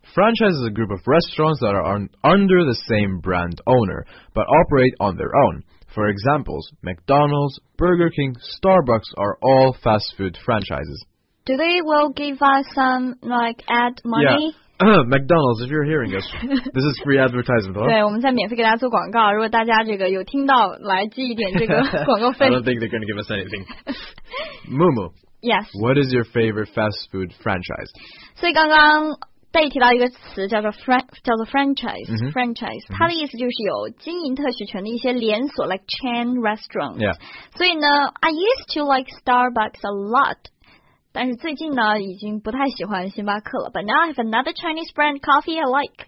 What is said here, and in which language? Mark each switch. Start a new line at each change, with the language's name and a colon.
English: Franchise is a group of restaurants that are under the same brand owner, but operate on their own. For example, McDonald's, Burger King, Starbucks are all fast food franchises. Do they will give us some, like, ad money? Yeah. McDonald's, if you're hearing us, this is free advertisement, huh?
Chinese: 对，我们在免费给大家做广告。如果大家这个有听到，来寄一点这个广告费。
English: I don't think they're going to give us anything. Moo Moo. Yes. What is your favorite fast food franchise?
Chinese: 所以刚刚Day提到一个词叫做 franchise,、 mm-hmm. franchise. 它的意思就是有经营特许权的一些连锁
English: like chain restaurants. Yeah.
Chinese: 所以呢
English: I used to like Starbucks a lot,
Chinese: 但是最近呢已经不太喜欢星巴克了
English: But now I have another Chinese brand coffee I like.